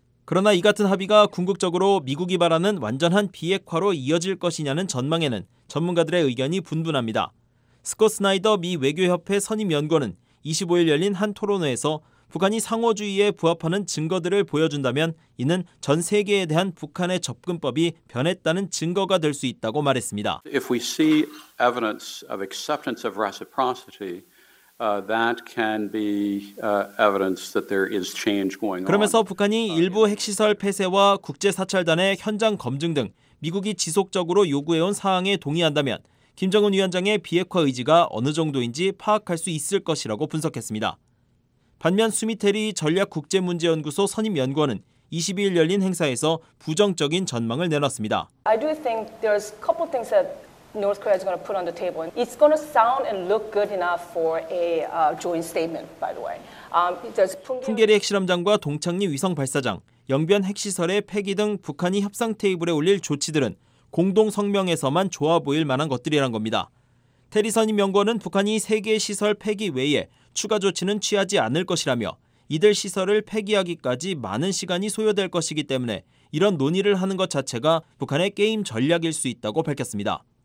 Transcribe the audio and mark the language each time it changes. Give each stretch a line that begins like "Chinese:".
Korean: 그러나 이 같은 합의가 궁극적으로 미국이 바라는 완전한 비핵화로 이어질 것이냐는 전망에는 전문가들의 의견이 분분합니다. 스콧 스나이더 미 외교협회 선임연구원은 25일 열린 한 토론회에서 북한이 상호주의에 부합하는 증거들을 보여준다면 이는 전 세계에 대한 북한의 접근법이 변했다는 증거가 될 수 있다고 말했습니다.
English: If we see evidence of acceptance of reciprocity, that can be evidence that there is change going on.
Korean: 그러면서 북한이 일부 핵시설 폐쇄와 국제 사찰단의 현장 검증 등 미국이 지속적으로 요구해 온 사항에 동의한다면 김정은 위원장의 비핵화 의지가 어느 정도인지 파악할 수 있을 것이라고 분석했습니다. 반면 수미테리 전략국제문제연구소 선임연구원은 22일 열린 행사에서 부정적인 전망을 내놨습니다.
English: I do think there's a couple things that North Korea is going to put on the table. It's going to sound and look good enough for a joint statement, by the way.
Korean: 풍계리 핵실험장과 동창리 위성발사장, 영변 핵시설의 폐기 등 북한이 협상 테이블에 올릴 조치들은 공동성명에서만 좋아 보일 만한 것들이란 겁니다. 테리 선임연구원은 북한이 3개 시설 폐기 외에 추가 조치는 취하지 않을 것이라며 이들 시설을 폐기하기까지 많은 시간이 소요될 것이기 때문에 이런 논의를 하는 것 자체가 북한의 게임 전략일 수 있다고 밝혔습니다.